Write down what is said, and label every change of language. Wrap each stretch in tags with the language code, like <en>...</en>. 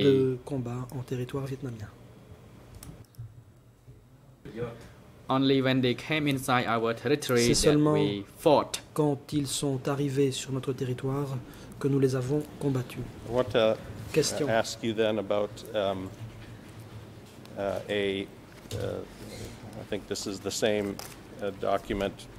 <fr>Il n'y a pas eu de combat en territoire vietnamien.</fr> <en>Only when they came inside our territory that we fought.</en> <fr>Quand ils sont arrivés sur notre territoire que nous les avons combattus.</fr> <en>What question ask you then about I think this is the same document,</en>